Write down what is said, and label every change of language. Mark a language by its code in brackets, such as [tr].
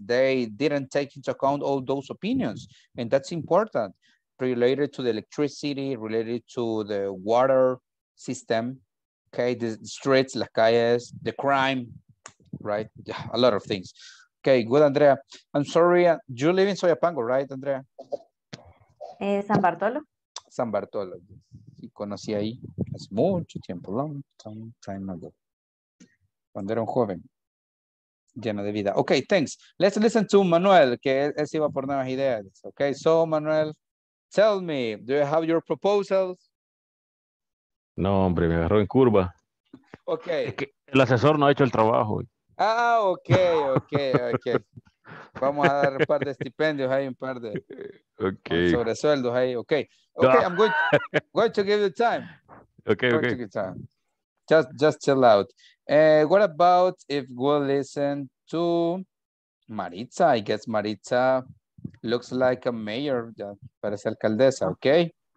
[en] They didn't take into account all those opinions. And that's important, related to the electricity, related to the water system, okay, the streets, [es] las calles, [en] the crime, right? Yeah, a lot of things. Okay, good, Andrea. I'm sorry, you live in Soyapango, right, Andrea? San Bartolo. San Bartolo. [es] Sí, conocí ahí hace mucho tiempo, [en] long time ago. [es] Cuando era un joven, lleno de vida. [en] Okay, thanks. Let's listen to Manuel, [es] que él iba por nuevas ideas. [en] Okay, so Manuel, tell me, do you have your proposals? [es] No, hombre, me agarró en curva. Okay. Es que el asesor no ha hecho el trabajo. Ah, ok. Vamos a dar un par de estipendios ahí, un par de sobresueldos ahí. Ok. [en] Ok, no. I'm going to give you time. Okay. Just chill out. What about if we listen to Maritza? I guess Maritza looks like a mayor, [es] ya, parece alcaldesa, [en] ok.